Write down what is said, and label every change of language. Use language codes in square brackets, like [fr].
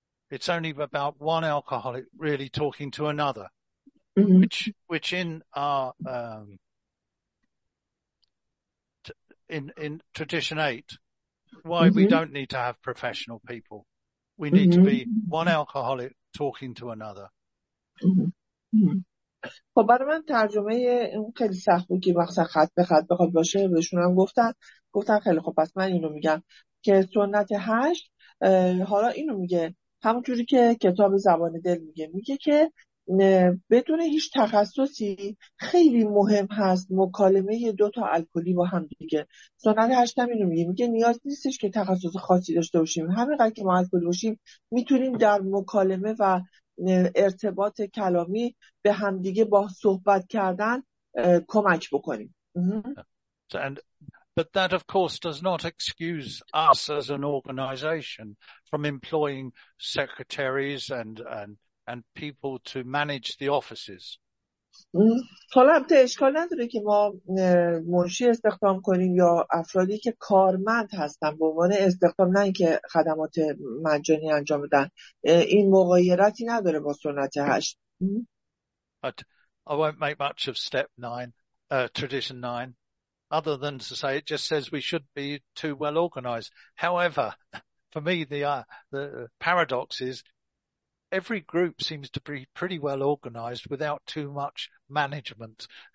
[en] It's only about one alcoholic really talking to another, which in our in tradition 8, why we don't need to have professional people. We need to be one alcoholic talking to another. [fa] خب برای من ترجمه اون خیلی سخت بود که مثلا خط به خط بخواد باشه. بهشون هم گفتن خیلی خب پس من اینو میگم که سنت 8 حالا اینو میگه، همونجوری که کتاب زبان دل میگه که بدون هیچ تخصصی خیلی مهم هست مکالمه دو تا الکلی با هم دیگه. سنت 8 هم اینو میگه، نیاز نیستش که تخصص خاصی داشته باشیم، همینقدر که ما الکلی باشیم میتونیم در مکالمه و ارتباط کلامی به همدیگه با صحبت کردن کمک بکنیم. [en] But that of course does not excuse us as an organization from employing secretaries and people to manage the offices. [fa] حالا البته اشکال نداره که ما منشی استخدام کنیم یا افرادی که کارمند هستن به عنوان استخدام، نه اینکه خدمات مجانی انجام بدن. این مغایرتی نداره با سنت 8. [en] But I won't make much of step 9, tradition 9, other than to say it just says we should be too well organized. However, for me the paradox is every group seems to be pretty well organized without too much management.